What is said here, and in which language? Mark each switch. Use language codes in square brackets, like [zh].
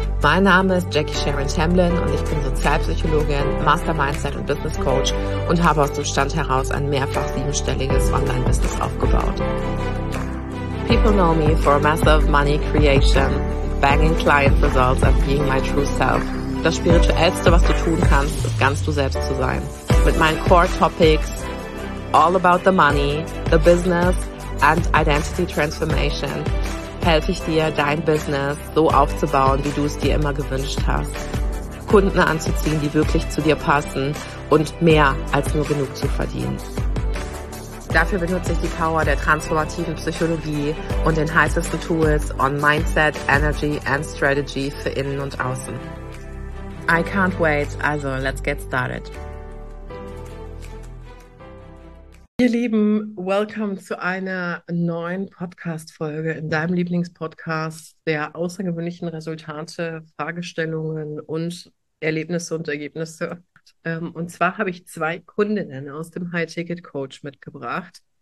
[de] Mein Name ist Jackie Sharon Tamblyn und ich bin Sozialpsychologin, Master Mindset und Business Coach und habe aus dem Stand heraus ein mehrfach siebenstelliges Online-Business aufgebaut. [en] People know me for massive money creation, banging client results and being my true self. [de] Das Spirituellste, was du tun kannst, ist ganz du selbst zu sein. Mit meinen Core Topics, [en] all about the money, the business and identity transformation, [de] helfe ich dir, dein Business so aufzubauen, wie du es dir immer gewünscht hast. Kunden anzuziehen, die wirklich zu dir passen und mehr als nur genug zu verdienen. Dafür benutze ich die Power der transformativen Psychologie und den heißesten Tools [en] on Mindset, Energy and Strategy [de] für Innen und Außen. [en] I can't wait, also let's get started. [de] Ihr Lieben, welcome zu einer neuen Podcast-Folge in deinem Lieblingspodcast der außergewöhnlichen Resultate, Fragestellungen und Erlebnisse und Ergebnisse. Und zwar habe ich zwei Kundinnen aus dem High-Ticket-Coach mitgebracht.